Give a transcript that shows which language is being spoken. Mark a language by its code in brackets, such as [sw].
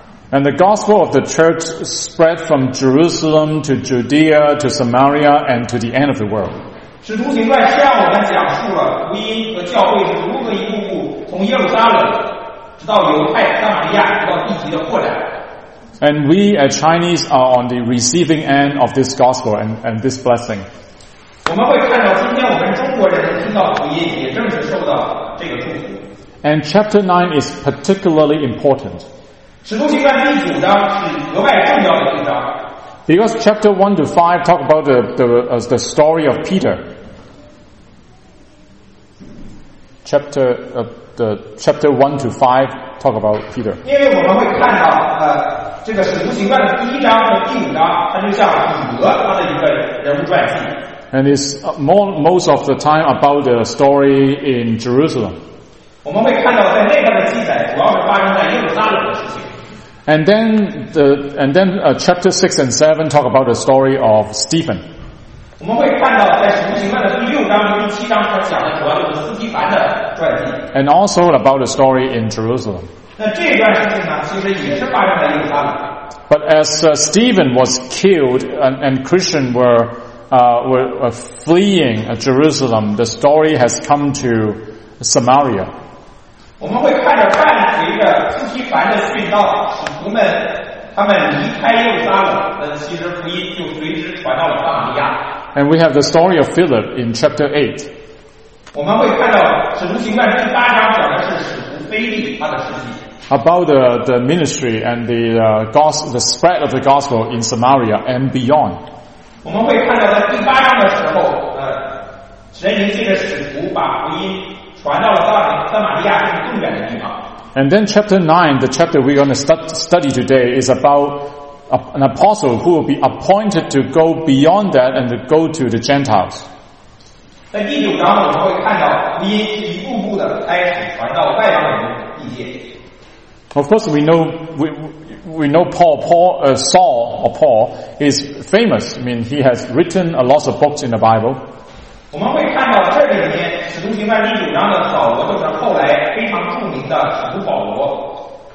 [en] And the gospel of the church spread from Jerusalem to Judea to Samaria and to the end of the world. [zh] 使徒行传向我们讲述了福音和教会是如何一步步从耶路撒冷直到犹太、撒玛利亚直到地极的扩展。 [en] And we as Chinese are on the receiving end of this gospel and this blessing. [zh] 我们会看到今天我们中国人听到福音也正是受到这个祝福。 [en] And chapter 9 is particularly important. [zh] 使徒行传第九章是额外重要的一章。 [en] Because chapter 1 to 5 talk about the story of Peter. Chapter 1 to 5 talk about Peter. [zh] 因为我们会看到这个使徒行传的第一章和第五章，它就像彼得他的一个人物传记。 [en] And it's most of the time about the story in Jerusalem. [zh] 我们会看到在那段的记载主要是发生在耶路撒冷的事情。 [en] And then chapter 6 and 7 talk about the story of Stephen. [zh] 我们会看到在使徒行传的第六章和第七章他讲的主要就是斯提凡的传记。 [en] And also about the story in Jerusalem. [zh] 那这段事情呢其实也是发生在耶路撒冷。 [en] But as Stephen was killed and Christian were fleeing Jerusalem, the story has come to Samaria. [zh] 我们会看到伴随着斯提凡的殉道，他们离开耶路撒冷，其实福音就随之传到了撒玛利亚。 [en] And we have the story of Philip in chapter 8. [zh] 我们会看到使徒行传第八章讲的是使徒腓力他的事迹。 [en] About the ministry and the spread of the gospel in Samaria and beyond. [zh] 我们会看到在第八章的时候，神灵借着使徒把福音传到了撒玛利亚这个更远的地方。 [en] And then chapter 9, the chapter we're going to study today, is about an apostle who will be appointed to go beyond that and to go to the Gentiles. [zh] 在第九章我们会看到福音一步步的开始传到外邦人的地界。 [en] Of course, Saul is famous. I mean, he has written a lot of books in the Bible. [zh] 我们会看到这里面使徒行传第九章的扫罗就是后来非常著名的使徒保罗。